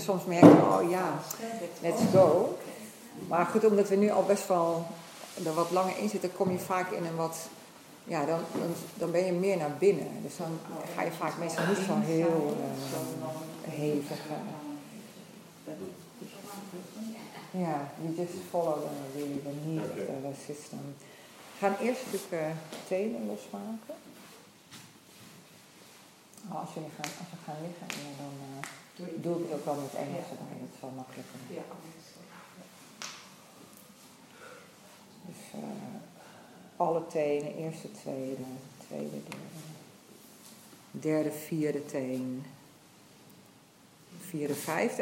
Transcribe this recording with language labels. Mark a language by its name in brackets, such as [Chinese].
[Dutch] Soms merk je, oh ja, [English] let's go. [Dutch] Maar goed, omdat we nu al best wel er wat langer in zitten, kom je vaak in een wat, ja, dan ben je meer naar binnen. Dus dan ga je vaak meestal niet zo heel hevig. [English] Ja, you just follow the need of the system. [Dutch] We gaan eerst natuurlijk tenen losmaken. Als jullie gaan liggen, dan doe ik het ook wel met Engels, dan is het wel makkelijker. Dus alle tenen, eerste, tweede, derde, vierde teen, vierde, vijfde.